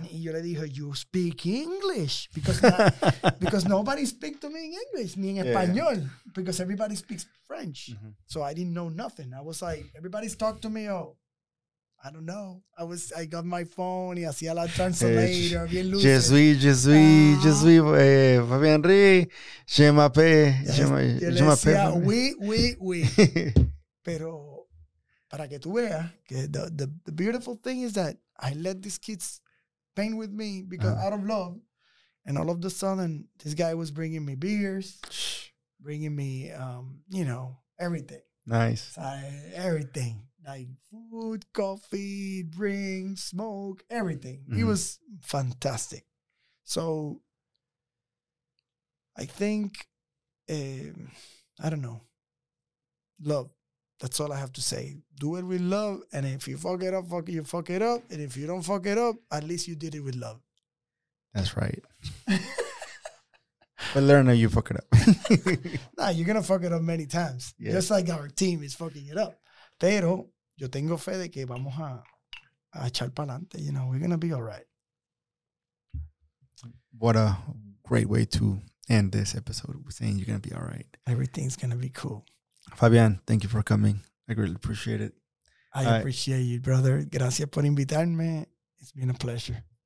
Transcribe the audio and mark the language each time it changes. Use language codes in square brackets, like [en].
[es] Y yo le dije, [en] you speak English, because nobody speaks to me in English, [es] ni en español, [en] yeah, because everybody speaks French. Uh-huh. So I didn't know nothing. I was like, everybody's talked to me, I don't know. I got my phone [es] y hacía la [en] translator. [es] Bien lucido. [fr] Jesuí, Fabián Rí, Je m'appelle. Oui. [es] Pero para que tú veas que [en] the beautiful thing is that I let these kids paint with me because, uh-huh, out of love, and all of the sudden this guy was bringing me beers, bringing me you know, everything. Nice. Everything. Like food, coffee, drink, smoke, everything. Mm-hmm. It was fantastic. So I think, I don't know, love. That's all I have to say. Do it with love. And if you fuck it up, fuck it up. And if you don't fuck it up, at least you did it with love. That's right. But learn how you fuck it up. Nah, you're going to fuck it up many times. Yeah. Just like our team is fucking it up. [es] Pero yo tengo fe de que vamos a echar para adelante. [en] You know, we're going to be all right. What a great way to end this episode with saying you're going to be all right. Everything's going to be cool. Fabián, thank you for coming. I greatly appreciate it. I appreciate you, brother. [es] Gracias por invitarme. [en] It's been a pleasure.